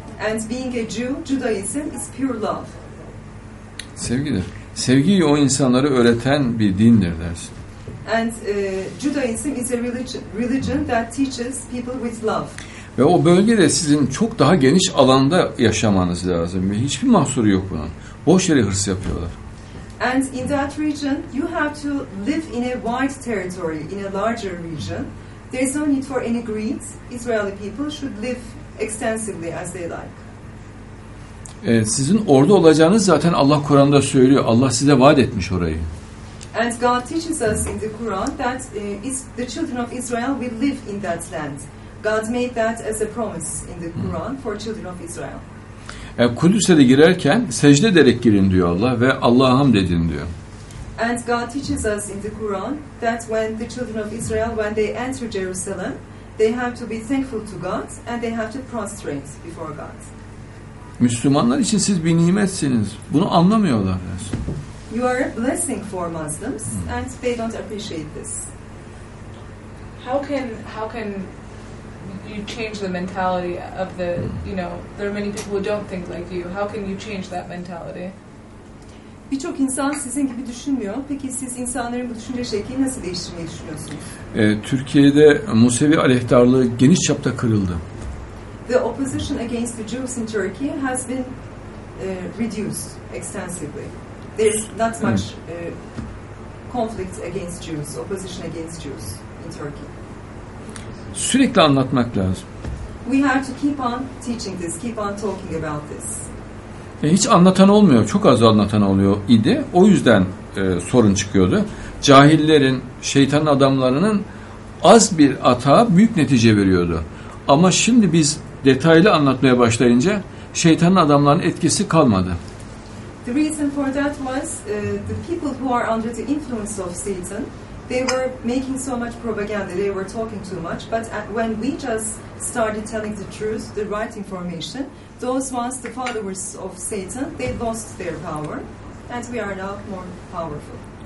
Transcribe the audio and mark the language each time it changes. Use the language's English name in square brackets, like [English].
[English] And being a Jew, Judaism is pure love. [Turkish] Sevgidir. Sevgiyi o insanlara öğreten bir dindir dersin. [English] And Judaism is a religion that teaches people with love. [Turkish] Ve o bölgede sizin çok daha geniş alanda yaşamanız lazım. Hiçbir mahsuru yok bunun. Boş yere hırs yapıyorlar. [English] And in that region, you have to live in a wide territory, in a larger region. There is no need for any greed. Israeli people should live extensively as they like. [Turkish] Sizin orada olacağınız zaten Allah Kur'an'da söylüyor. Allah size vaat etmiş orayı. [English] And God teaches us in the Quran that the children of Israel will live in that land. God made that as a promise in the Quran for children of Israel. [Turkish] Kudüs'e de girerken secde ederek girin diyor Allah ve Allah'a hamd edin diyor. [English] And God teaches us in the Quran that when the children of Israel, when they enter Jerusalem, they have to be thankful to God and they have to prostrate before God. [Turkish] Müslümanlar için siz bir nimetsiniz. Bunu anlamıyorlar. [English] You are a blessing for Muslims and they don't appreciate this. How can you change the mentality of the, you know, there are many people who don't think like you. How can you change that mentality? [Turkish] Birçok insan sizin gibi düşünmüyor. Peki siz insanların bu düşünce şeklini nasıl değiştirmeyi düşünüyorsunuz? Türkiye'de Musevi aleyhtarlığı geniş çapta kırıldı. [English] The opposition against the Jews in Turkey has been reduced extensively. There is not much conflict against Jews, opposition against Jews in Turkey. [Turkish] Sürekli anlatmak lazım. [English] We have to keep on teaching this, keep on talking about this. [Turkish] Hiç anlatan olmuyor, çok az anlatan oluyor idi. O yüzden sorun çıkıyordu. Cahillerin, şeytanın adamlarının az bir ata büyük netice veriyordu. Ama şimdi biz detaylı anlatmaya başlayınca şeytanın adamlarının etkisi kalmadı. [English] The reason for that was the people who are under the influence of Satan, they were making so much propaganda, they were talking too much. But when we just started telling the truth, the right information, those ones, the followers of Satan, they lost their power, and we are now more powerful.